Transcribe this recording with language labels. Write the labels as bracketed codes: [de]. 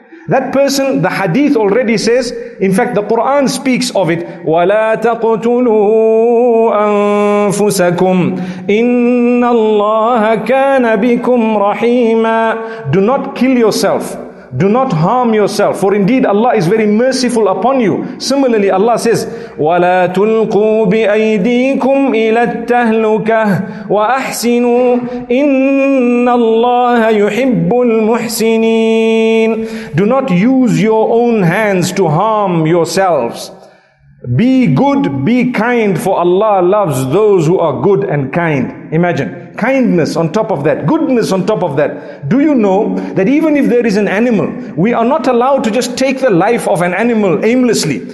[en] That person, the hadith already says, in fact, the Quran speaks of it. [ar] وَلَا تَقْتُلُوا أَنفُسَكُمْ إِنَّ اللَّهَ كَانَ بِكُمْ رَحِيمًا. [en] Do not kill yourself. Do not harm yourself. For indeed, Allah is very merciful upon you. Similarly, Allah says, [ar] وَلَا تُلْقُوا بِأَيْدِيكُمْ إِلَى التَّهْلُكَةِ وَأَحْسِنُوا إِنَّ اللَّهَ يُحِبُّ الْمُحْسِنِينَ. [en] Do not use your own hands to harm yourselves. Be good, be kind, for Allah loves those who are good and kind. Imagine, kindness on top of that, goodness on top of that. Do you know that even if there is an animal, we are not allowed to just take the life of an animal aimlessly.